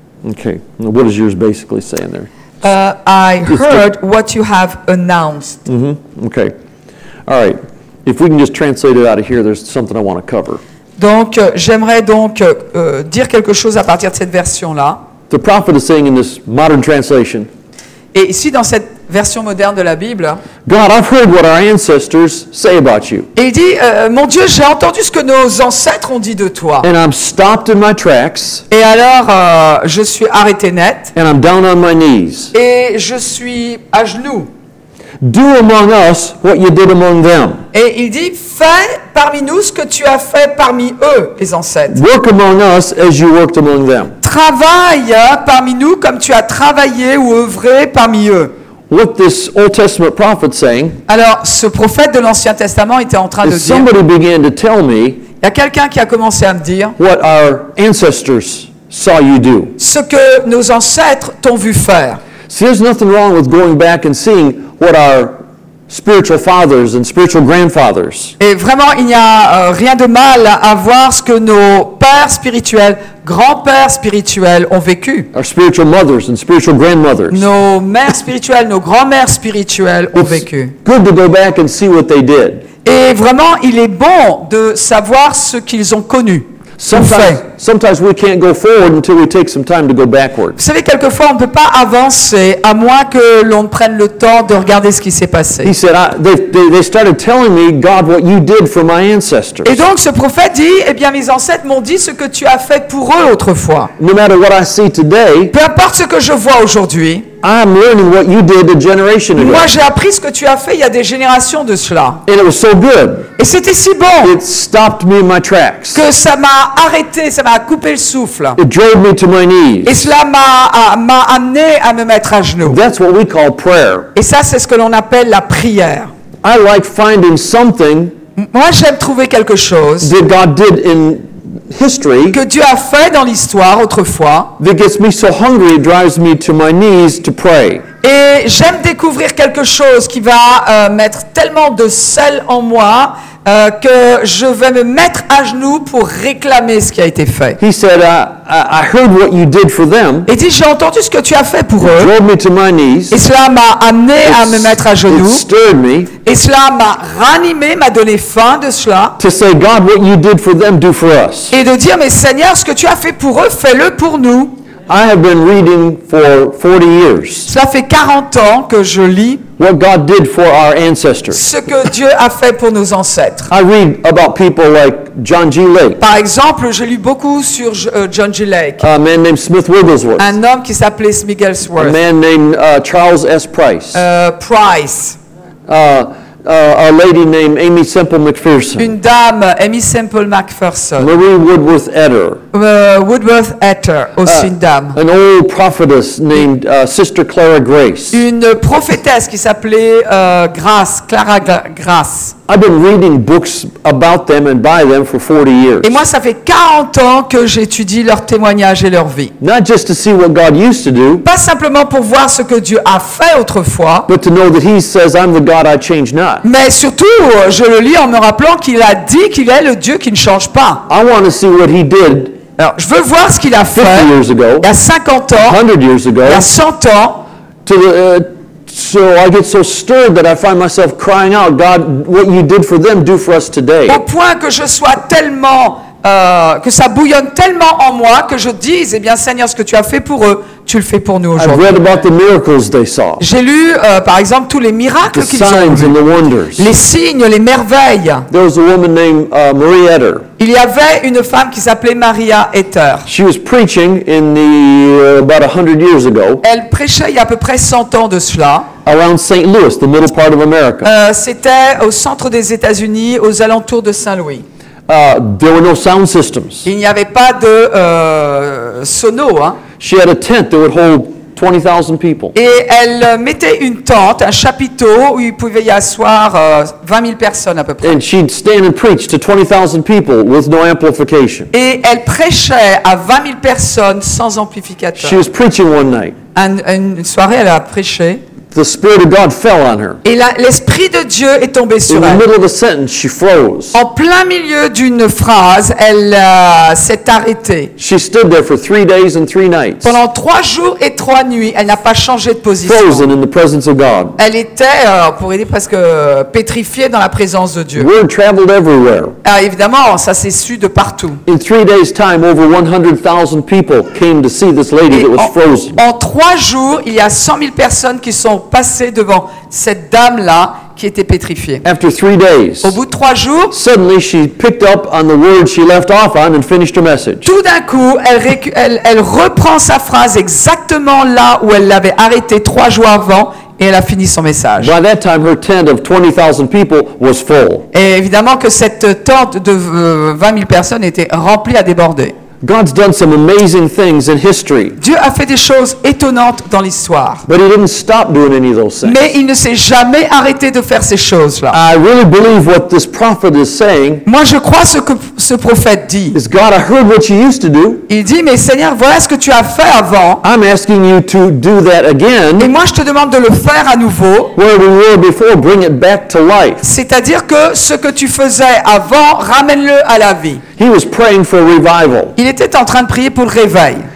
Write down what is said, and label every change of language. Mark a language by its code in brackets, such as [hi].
[en] Okay. Now, what is yours basically saying there? I heard what you have announced. Mm-hmm. Okay. All right. If we can just translate it out of here, there's something I want to cover. [fr] Donc, j'aimerais donc dire quelque chose à partir de cette version-là. [en] The prophet is saying in this modern translation. [fr] Et ici, dans cette version moderne de la Bible. [en] God, I've heard what our ancestors say about you. [fr] Et il dit, mon Dieu, j'ai entendu ce que nos ancêtres ont dit de toi. [en] And I'm stopped in my tracks. [fr] Et alors, je suis arrêté net. [en] And I'm down on my knees. [fr] Et je suis à genoux. [en] Do among us what you did among them. [fr] Et il dit, fais parmi nous ce que tu as fait parmi eux, les ancêtres. [en] Work among us as you worked among them. [fr] Travaille parmi nous comme tu as travaillé ou œuvré parmi eux. [en] What this Old Testament prophet saying? [fr] Alors, ce prophète de l'Ancien Testament était en train de dire. [en] Somebody began to tell me. [fr] Il y a quelqu'un qui a commencé à me dire. [en] What our ancestors saw you do. [fr] Ce que nos ancêtres t'ont vu faire. [en] See, there's nothing wrong with going back and seeing what our spiritual fathers and spiritual grandfathers. [fr] Et vraiment, il n'y a rien de mal à voir ce que nos pères spirituels, grands-pères spirituels ont vécu. [en] Our spiritual mothers and spiritual grandmothers. [fr] Nos mères spirituelles, nos grands-mères spirituelles ont vécu. [en] Good to go back and see what they did. [fr] Et vraiment, il est bon de savoir ce qu'ils ont connu. [en] Sometimes we can't go forward until we take some time to go backwards. [fr] Vous savez, quelquefois, on ne peut pas avancer à moins que l'on ne prenne le temps de regarder ce qui s'est passé. [en] He said, they started telling me, God, what you did for my ancestors. [fr] Et donc, ce prophète dit, eh bien, mes ancêtres m'ont dit ce que tu as fait pour eux autrefois. [en] No matter what I see today, [fr] peu importe ce que je vois aujourd'hui, [en] I'm learning what you did a generation ago. [fr] Moi, j'ai appris ce que tu as fait il y a des générations de cela. [en] And it was so good. [fr] Et c'était si bon. [en] It stopped me in my tracks. [fr] Que ça m'a arrêté, ça m'a coupé le souffle. [en] It drove me to my knees. [fr] Et cela m'a amené à me mettre à genoux. [en] That's what we call prayer. [fr] Et ça, c'est ce que l'on appelle la prière. [en] I like finding something. [fr] Moi, j'aime trouver quelque chose. [en] That God did in history, [fr] que Dieu a fait dans l'histoire autrefois. [en] That gets me so hungry, it drives me to my knees to pray. [fr] Et j'aime découvrir quelque chose qui va mettre tellement de sel en moi que je vais me mettre à genoux pour réclamer ce qui a été fait. [en] He said, I heard what you did for them. [fr] Et dit, j'ai entendu ce que tu as fait pour eux. [en] It drove me to my knees. [fr] Et cela m'a amené à me mettre à genoux. [en] It stirred me. [fr] Et cela m'a ranimé, m'a donné faim de cela. [en] To say, God, what you did for them, do for us. [fr] Et de dire, mais Seigneur, ce que tu as fait pour eux, fais-le pour nous. [en] I have been reading for 40 years. [fr] Cela fait 40 ans que je lis. [en] What God did for our ancestors. [fr] Ce que Dieu a fait pour nos ancêtres. [en] I read about people like John G. Lake. [fr] Par exemple, j'ai lu beaucoup sur John G. Lake. [en] A man named Smith Wigglesworth. [fr] Un homme qui s'appelait Wigglesworth. [en] A man named Charles S. Price. [fr] Price. [en] A lady named Amy Semple McPherson. [fr] Une dame, Amy Semple McPherson. [en] Marie Woodworth Etter. [fr] Woodworth Etter, aussi une dame. [en] An old prophetess named Sister Clara Grace. [fr] Une prophétesse qui s'appelait Grace, Clara Grace. [en] I've been reading books about them and by them for 40 years. [fr] Et moi, ça fait 40 ans que j'étudie leurs témoignages et leur vie. [en] Not just to see what God used to do. [fr] Pas simplement pour voir ce que Dieu a fait autrefois. [en] But to know that He says, "I'm the God I change not." [fr] Mais surtout, je le lis en me rappelant qu'il a dit qu'il est le Dieu qui ne change pas. [en] I want to see what He did. [fr] Alors, je veux voir ce qu'il a fait. [en] 50 years ago. [fr] Il y a 50 ans. [en] 100 years ago. [fr] Il y a 100 ans. [en] So I get so stirred that I find myself crying out, God, what you did for them, do for us today. [fr] Au point que je sois tellement, que ça bouillonne tellement en moi, que je dise, eh bien Seigneur, ce que tu as fait pour eux, tu le fais pour nous aujourd'hui. [en] I've read about the miracles they saw. [fr] J'ai lu, par exemple, tous les miracles [en] the [fr] qu'ils [en] signs [fr] ont vus. [en] And the wonders. [fr] Les signes, les merveilles. [en] There was a woman named, Marie Etter. [fr] Il y avait une femme qui s'appelait Maria Etter. [en] She was preaching in the, about 100 years ago. [fr] Elle prêchait il y a à peu près 100 ans de cela. [en] Around St. Louis, the middle part of America. [fr] C'était au centre des États-Unis, aux alentours de Saint-Louis. [en] There were no sound systems. [fr] Il n'y avait pas de sono, hein. [en] She had a tent that would hold 20,000 people. [fr] Et elle mettait une tente, un chapiteau où il pouvait y asseoir 20 000 personnes à peu près. [en] And she'd stand and preach to 20,000 people with no amplification. [fr] Et elle prêchait à 20 000 personnes sans amplificateur. [en] She was preaching one night. [fr] Une soirée, elle a prêché. [en] The Spirit of God fell on her. [fr] Et l'Esprit de Dieu est tombé sur elle. [en] In the middle of a sentence, she froze. [fr] En plein milieu d'une phrase, elle s'est arrêtée. [en] She stood there for 3 days and 3 nights. [fr] Pendant 3 jours et 3 nuits, elle n'a pas changé de position. [en] Frozen in the presence of God. [fr] Elle était, pour dire presque, pétrifiée dans la présence de Dieu. [en] Word traveled everywhere. [fr] Alors, évidemment, ça s'est su de partout. [en] In 3 days' time, over 100,000 people came to see this lady that was frozen. [fr] En 3 jours, il y a 100,000 personnes qui sont passer devant cette dame là qui était pétrifiée. [en] After 3 days, [fr] au bout de 3 jours, [en] suddenly she picked up on the word she left off on and finished her message. [fr] Tout d'un coup, elle reprend sa phrase exactement là où elle l'avait arrêtée 3 jours avant et elle a fini son message. [en] By that time, her tent of 20,000 people was full. [fr] Et évidemment que cette tente de 20 000 personnes était remplie à déborder. [en] God's done some amazing things in history. [fr] Dieu a fait des choses étonnantes dans l'histoire. [en] But he didn't stop doing any of those things. [fr] Mais il ne s'est jamais arrêté de faire ces choses-là. [en] I really believe what this prophet is saying. [fr] Moi, je crois ce que ce prophète dit. [en] Is God, I heard what you used to do. [fr] Il dit, mais Seigneur, voilà ce que tu as fait avant. [en] I'm asking you to do that again. [fr] Et moi, je te demande de le faire à nouveau. [en] Where we were before, bring it back to life. [fr] C'est-à-dire que ce que tu faisais avant, ramène-le à la vie. [en] He was praying for revival. [fr] Il était en train de prier pour le réveil.